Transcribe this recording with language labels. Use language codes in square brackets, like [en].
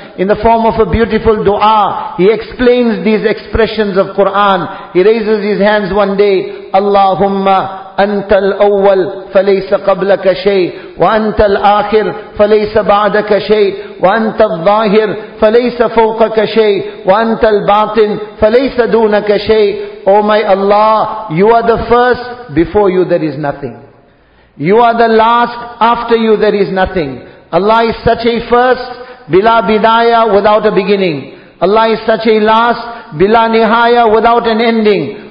[en] In the form of a beautiful dua, he explains these expressions of Quran. He raises his hands one day. [ar] Allahumma أنت الأول فليس قبلك شيء وأنت الآخر فليس بعدك شيء وأنت الظاهر فليس فوقك شيء وأنت الباطن فليس دونك شيء. [en] Oh my Allah, you are the first, before you there is nothing. You are the last, after you there is nothing. Allah is such a first, [ar] bila bidaya, [en] without a beginning. Allah is such a last, [ar] bila nihaya, [en] without an ending.